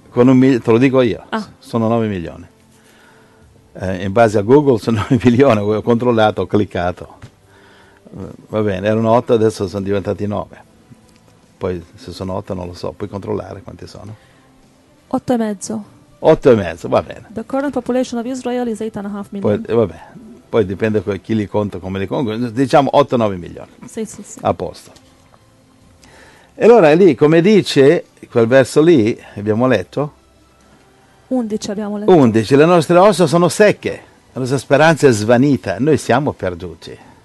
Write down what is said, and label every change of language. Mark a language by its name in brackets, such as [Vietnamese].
[Italian] Te lo dico io. Ah. Sono 9 milioni. In base a Google sono 9 milioni. Ho controllato, ho cliccato. Va bene, erano 8, adesso sono diventati 9. Poi se sono 8 non lo so. Puoi controllare quanti sono? 8,5. 8,5, va bene. [English] The current population of Israel is 8.5 million. [Italian] Poi dipende da chi li conta, come li conta, diciamo 8-9 milioni. Sì, sì, sì. A posto. E allora lì, come dice quel verso lì, abbiamo letto? 11 abbiamo letto. 11, le nostre ossa sono secche, la nostra speranza è svanita, noi siamo perduti.